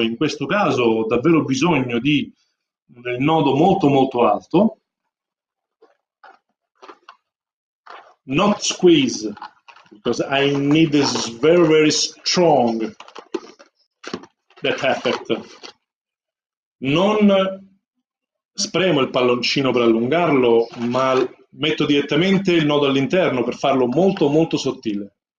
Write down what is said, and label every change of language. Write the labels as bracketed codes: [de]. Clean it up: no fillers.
[it] In questo caso, ho davvero bisogno di del nodo molto, molto alto. [en] Not squeeze, because I need this very, very strong, that effect. [it] Non spremo il palloncino per allungarlo, ma metto direttamente il nodo all'interno per farlo molto, molto sottile.